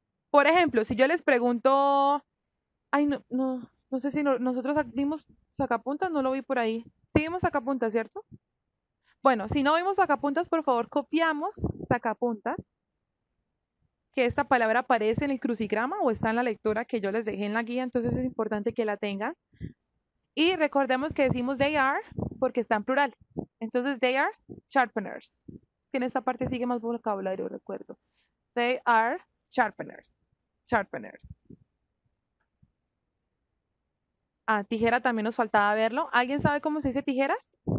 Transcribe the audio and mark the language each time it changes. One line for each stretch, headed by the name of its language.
Spanish: Por ejemplo, si yo les pregunto, ay, no sé si nosotros vimos sacapuntas, no lo vi por ahí. Sí vimos sacapuntas, ¿cierto? Bueno, si no vimos sacapuntas, por favor, copiamos sacapuntas. Que esta palabra aparece en el crucigrama o está en la lectura que yo les dejé en la guía, entonces es importante que la tengan. Y recordemos que decimos they are porque está en plural.
English: Entonces, they are sharpeners.
Spanish: Que en esta parte sigue más vocabulario, recuerdo.
English: They are sharpeners. Sharpeners.
Spanish: Ah, tijera también nos faltaba verlo. ¿Alguien sabe cómo se dice tijeras?